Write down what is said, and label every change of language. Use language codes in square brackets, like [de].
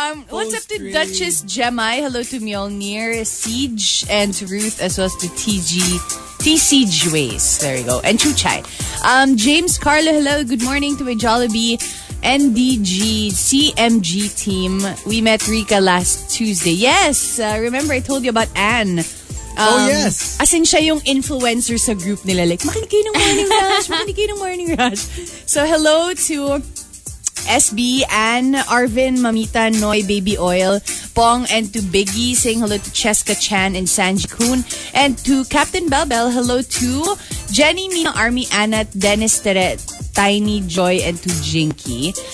[en] what's up to Duchess Gemai? Hello to Mjolnir, Siege, and to Ruth, as well as to TG, TC Juez. There you go. And Chuchai. James Carlo, hello. Good morning to my Jollibee, NDG, CMG team. We met Rica last Tuesday. Yes, remember I told you about Anne. Oh, yes. [tl] As in, siya yung influencer sa group nila. Like, makinig kayo ng Morning Rush. Makinig kayo ng Morning Rush. [en] So, hello to SB, Ann, Arvin, Mamita, Noy, Baby Oil, Pong, and to Biggie, saying hello to Cheska Chan and Sanji Kun, and to Captain Belbel, hello to Jenny, Mina, Army, Anat, Dennis, Tere, Tiny, Joy, and to Jinky.